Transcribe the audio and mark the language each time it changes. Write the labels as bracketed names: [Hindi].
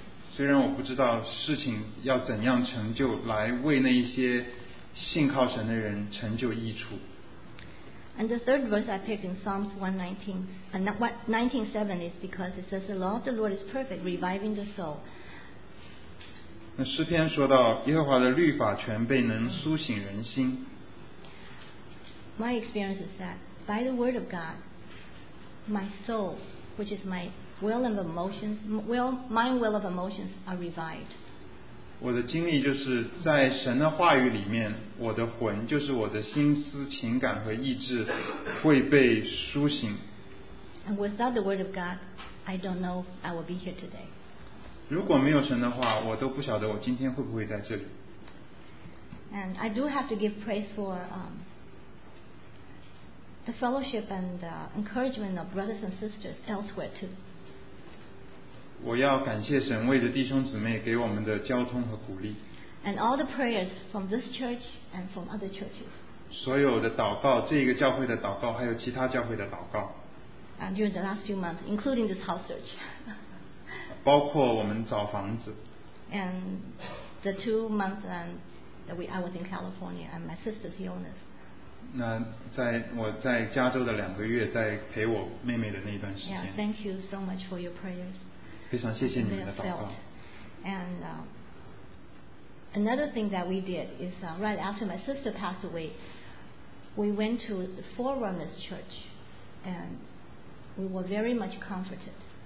[Chinese] 虽然我不知道事情要怎样成就，来为那一些信靠神的人成就益处。 [English] And the third verse I picked in Psalms 19:7 is because it says the law of the Lord is perfect, reviving the soul. [Chinese] 那诗篇说到耶和华的律法全备，能苏醒人心。 [English] My experience is that by the word of God, my soul, which is my will of emotions, will my will of emotions are revived. [Chinese] 我的经历就是在神的话语里面，我的魂，就是我的心思、情感和意志，会被苏醒。 [English] And without the word of God, I don't know I will be here today. [Chinese] 如果没有神的话，我都不晓得我今天会不会在这里。 [English] And I do have to give praise for the fellowship and the encouragement of brothers and sisters elsewhere too. [Chinese] 我要感谢神为着弟兄姊妹给我们的交通和鼓励。 [English] And all the prayers from this church and from other churches. [Chinese] 所有的祷告，这个教会的祷告，还有其他教会的祷告。 [English] And during the last few months, including this house search. [Chinese] 包括我们找房子。 [English] And the 2 months that I was in California and my sister's illness. [Chinese] 那在我在加州的两个月，在陪我妹妹的那段时间。 [English] Yeah, thank you so much for your prayers. [Chinese] 非常谢谢你们的祷告。 [English] And another thing that we did is right after my sister passed away, we went to the Forerunners Church, and we were very much comforted.